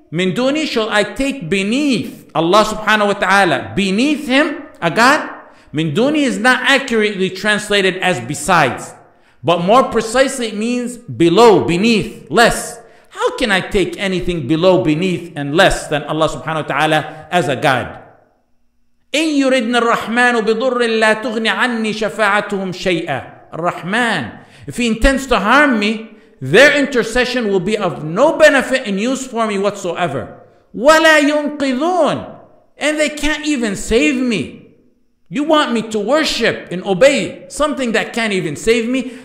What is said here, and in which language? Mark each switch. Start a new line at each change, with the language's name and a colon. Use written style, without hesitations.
Arabic: من دوني
English: shall I take beneath Allah subhanahu wa ta'ala beneath him a god.
Arabic: من دوني
English: is not accurately translated as besides, but more precisely it means below, beneath, less. How can I take anything below, beneath, and less than Allah subhanahu wa ta'ala as a god?
Arabic: إن يردن الرحمن بضر لا تغني عني شفاعتهم شيئا.
English: الرحمن, if he intends to harm me, their intercession will be of no benefit and use for me whatsoever.
Arabic: ولا ينقذون,
English: and they can't even save me. You want me to worship and obey something that can't even save me?